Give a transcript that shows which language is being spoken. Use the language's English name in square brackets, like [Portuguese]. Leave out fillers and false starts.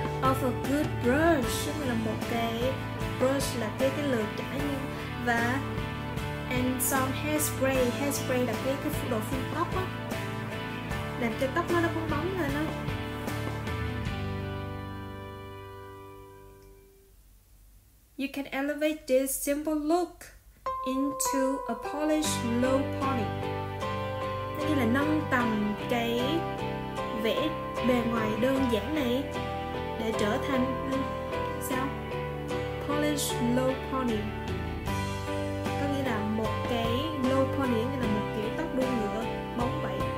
[English] Of a good brush [Vietnamese] là một cái brush, là cái lược chải, và [English] And some hairspray. [Vietnamese] Hairspray là cái phụ đồ phun tóc á, làm cho tóc nó bong bóng lên á. [English] You can elevate this simple look into a polished low pony. [Vietnamese] Đây là nâng tầm cái vẻ bề ngoài đơn giản này để trở thành sao? [English] Polished low pony. [Vietnamese] Có nghĩa là một cái low pony nghĩa là một kiểu tóc đuôi ngựa bóng bẩy.